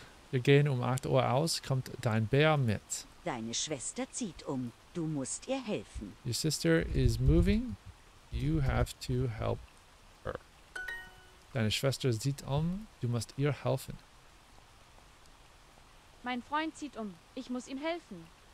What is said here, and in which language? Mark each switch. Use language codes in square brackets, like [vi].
[de] Wir gehen um 8 Uhr aus, kommt dein Bär mit. Deine Schwester zieht um, du musst ihr helfen. [en] Your sister is moving, you have to help her. [de] Deine Schwester zieht um, du musst ihr helfen. Mein Freund zieht um, ich muss ihm helfen.